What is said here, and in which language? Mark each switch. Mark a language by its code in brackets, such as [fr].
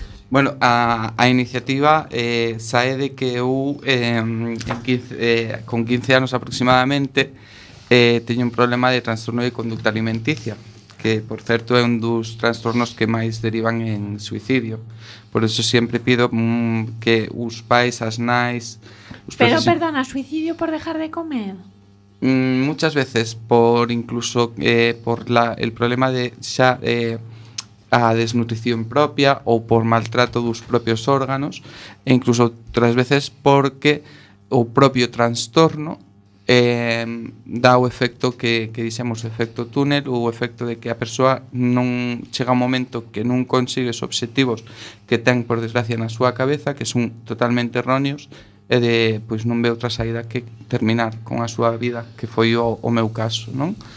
[gl] Bueno, a iniciativa sae de que eu con 15 anos aproximadamente teño un problema de trastorno de conducta alimenticia, que por certo é un dos trastornos que máis derivan en suicidio. Por eso sempre pido que os pais, as nais... [es] Perdona, suicidio por dejar de comer? Muchas veces, por incluso por el problema de xa... [gl] a desnutrición propia ou por maltrato dos propios órganos e incluso outras veces porque o propio trastorno dá o efecto que dixemos efecto túnel ou o efecto de que a persoa non chega un momento que non consigue os objetivos que ten por desgracia na súa cabeza, que son totalmente erróneos e de pois non ve outra saída que terminar con a súa vida, que foi o meu caso, non?